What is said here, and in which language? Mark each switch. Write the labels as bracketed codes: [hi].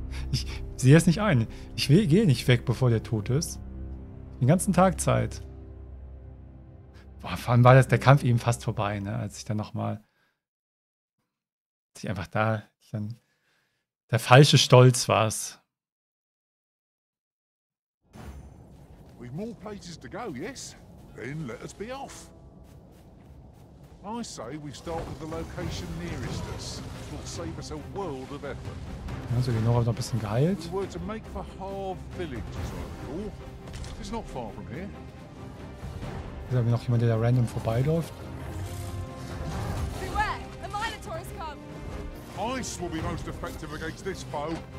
[de] Ich sehe es nicht ein. Ich gehe nicht weg, bevor der tot ist. Den ganzen Tag Zeit. Boah, vor allem war das der Kampf eben fast vorbei, ne? Als ich dann nochmal. Ich einfach da. Dann der falsche Stolz war es. [en] We've more places to go, yes? Then let us be off. I say we start with the location nearest us. It will save us a world of effort. [de] Also, die Nora hat ein bisschen geheilt. [en] We were to make for Harv Village, as I recall. It's not far from here. [de] Ist da noch jemand, der da random vorbeiläuft? [en] Beware! The Minotaur has come! Ice will be most effective against this foe.